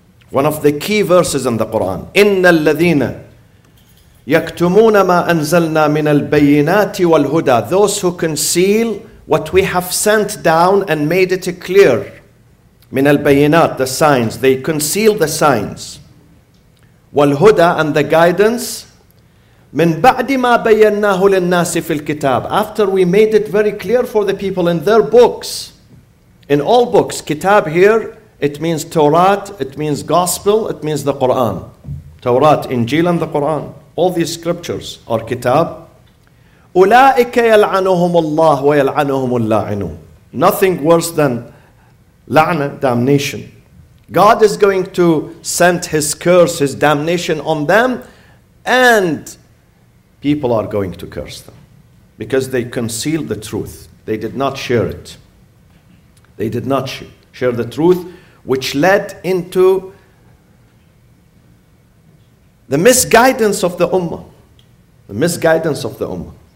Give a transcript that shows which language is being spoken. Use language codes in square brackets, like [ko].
[en] One of the key verses in the Quran. [ar] إِنَّ الَّذِينَ يَكْتُمُونَ مَا أَنزَلْنَا مِنَ الْبَيِّنَاتِ وَالْهُدَى. [en] Those who conceal what we have sent down and made it clear. [ar] من البينات, [en] the signs. They conceal the signs. [ar] وَالْهُدَى, [en] and the guidance. [ar] من بعد ما بيناه للناس في الكتاب. [en] After we made it very clear for the people in their books, in all books. Kitab here, it means Torah, it means Gospel, it means the Quran. Torah, Injil, and the Quran. All these scriptures are Kitab. [ar] أولئك يلعنهم الله ويلعنهم اللاعنون. [en] Nothing worse than لعنة, damnation. God is going to send His curse, His damnation on them, and people are going to curse them because they concealed the truth. They did not share it. They did not share the truth, which led into the misguidance of the Ummah. The misguidance of the Ummah.